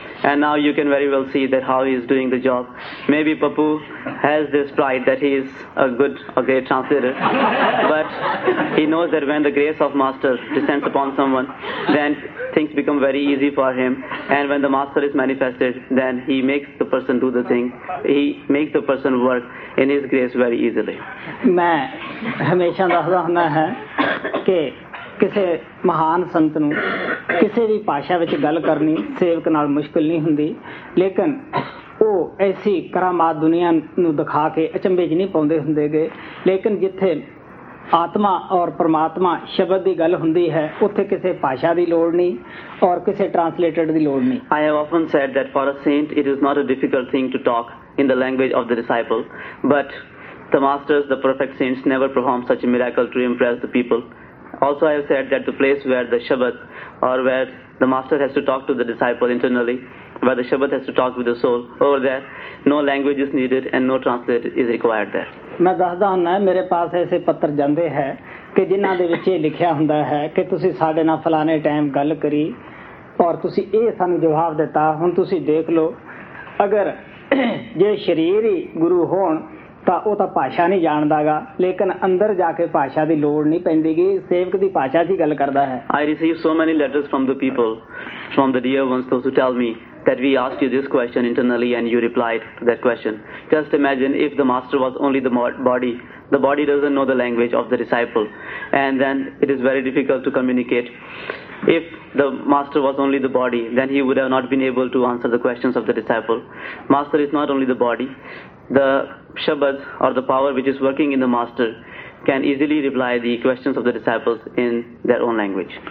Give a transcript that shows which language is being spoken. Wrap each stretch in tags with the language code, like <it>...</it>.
<en>And now you can very well see that how he is doing the job. Maybe Papu has this pride that he is a great translator, but he knows that when the grace of Master descends upon someone, then things become very easy for him, and when the Master is manifested, then he makes the person do the thing. He makes the person work in his grace very easily.</en> <pa>ਮੈਂ ਹਮੇਸ਼ਾ ਦੱਸਦਾ ਹੁੰਦਾ ਹੈ ਕਿ ਕਿਸੇ ਮਹਾਨ ਸੰਤ ਨੂੰ ਕਿਸੇ ਵੀ ਭਾਸ਼ਾ ਵਿੱਚ ਗੱਲ ਕਰਨੀ ਸੇਵਕ ਨਾਲ ਮੁਸ਼ਕਲ ਨਹੀਂ ਹੁੰਦੀ, ਲੇਕਿਨ ਉਹ ਐਸੀ ਕਰਾਮਾਤ ਦੁਨੀਆ ਨੂੰ ਦਿਖਾ ਕੇ ਅਚੰਬੇ 'ਚ ਨਹੀਂ ਪਾਉਂਦੇ ਹੁੰਦੇ ਗੇ। ਲੇਕਿਨ ਜਿੱਥੇ ਆਤਮਾ ਔਰ ਪਰਮਾਤਮਾ ਸ਼ਬਦ ਦੀ ਗੱਲ ਹੁੰਦੀ ਹੈ, ਉੱਥੇ ਕਿਸੇ ਭਾਸ਼ਾ ਦੀ ਲੋੜ ਨਹੀਂ ਔਰ ਕਿਸੇ ਟ੍ਰਾਂਸਲੇਟਡ ਦੀ ਲੋੜ ਨਹੀਂ।</pa> <en>I have often said that for a saint it is not a difficult thing to talk in the language of the disciple, but the masters, the perfect saints, never perform such a miracle to impress the people. Also I have said that the place where the shabad, or where the master has to talk to the disciple internally, where the shabad has to talk with the soul, over there no language is needed and no translator is required there.</en> <pa>ਮੈਂ ਦੱਸਦਾ ਹੁੰਦਾ ਹਾਂ, ਮੇਰੇ ਪਾਸ ਐਸੇ ਪੱਤਰ ਜਾਂਦੇ ਹੈ ਕਿ ਜਿਨ੍ਹਾਂ ਦੇ ਵਿੱਚ ਇਹ ਲਿਖਿਆ ਹੁੰਦਾ ਹੈ ਕਿ ਤੁਸੀਂ ਸਾਡੇ ਨਾਲ ਫਲਾਣੇ ਟਾਈਮ ਗੱਲ ਕਰੀ ਔਰ ਤੁਸੀਂ ਇਹ ਸਾਨੂੰ ਜਵਾਬ ਦਿੱਤਾ, ਹੁਣ ਤੁਸੀਂ ਦੇਖ ਲਓ ਅਗਰ ਜੇ ਸਰੀਰ ਹੀ ਗੁਰੂ ਹੋਣ ਤਾਂ ਉਹ ਤਾਂ ਭਾਸ਼ਾ ਨਹੀਂ ਜਾਣਦਾ ਗਾ ਲੇਕਿਨ ਅੰਦਰ ਜਾ ਕੇ ਭਾਸ਼ਾ ਦੀ ਲੋੜ ਨਹੀਂ ਪੈਂਦੀ ਗੀ ਸੇਵਕ ਦੀ ਭਾਸ਼ਾ ਚ ਹੀ ਗੱਲ ਕਰਦਾ ਹੈ</pa> <en>I receive so many letters from the people from the dear ones to tell me that we asked you this question internally and you replied to that question. Just imagine if the master was only the body. The body doesn't know the language of the disciple and then it is very difficult to communicate. If the master was only the body, then he would have not been able to answer the questions of the disciple. Master is not only the body. The shabad or the power which is working in the master can easily reply the questions of the disciples in their own language.</en>